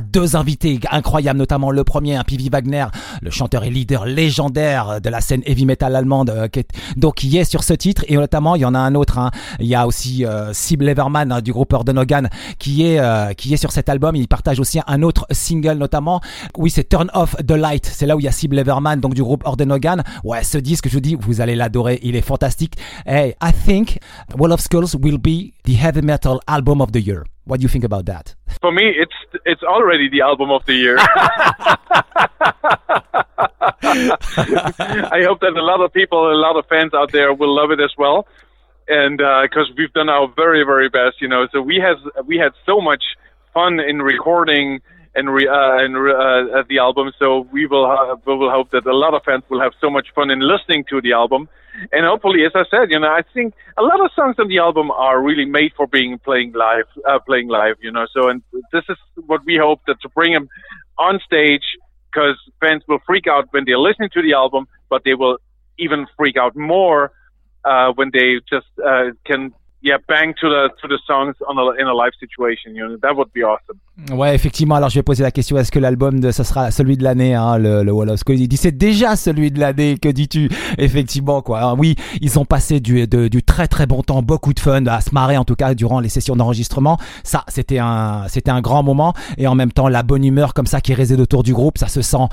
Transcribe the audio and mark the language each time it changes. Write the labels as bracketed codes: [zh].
[fr] Deux invités incroyables, notamment le premier, hein, PV Wagner, le chanteur et leader légendaire de la scène heavy metal allemande, qui est sur ce titre. Et notamment, il y en a un autre, hein. Il y a aussi Sib Leverman, hein, du groupe Organ Ogun, qui est sur cet album. Il partage aussi un autre single, notamment. Oui, c'est Turn Off the Light. C'est là où il y a Sib Leverman, donc du groupe Organ Ogun. Ouais, ce disque, je vous dis, vous allez l'adorer. Il est fantastique. [en] Hey, I think Wall of Skulls will be the heavy metal album of the year. What do you think about that? For me, it's already the album of the year. I hope that a lot of people, a lot of fans out there will love it as well. And because we've done our very, very best, you know. So we had so much fun in recording the album. So we will hope that a lot of fans will have so much fun in listening to the album. And hopefully, as I said, you know, I think a lot of songs on the album are really made for playing live, you know. So, and this is what we hope, that to bring them on stage, because fans will freak out when they're listening to the album, but they will even freak out more when they just bang to the songs in a live situation. You know, that would be awesome. [fr] Ouais, effectivement. Alors, je vais poser la question. Est-ce que l'album ce sera celui de l'année, hein, le Wall of Skulls? Il dit, c'est déjà celui de l'année. Que dis-tu? Effectivement, quoi. Alors, oui, ils ont passé du très très bon temps, beaucoup de fun, à se marrer, en tout cas, durant les sessions d'enregistrement. Ça, c'était un grand moment. Et en même temps, la bonne humeur, comme ça, qui réside autour du groupe, ça se sent.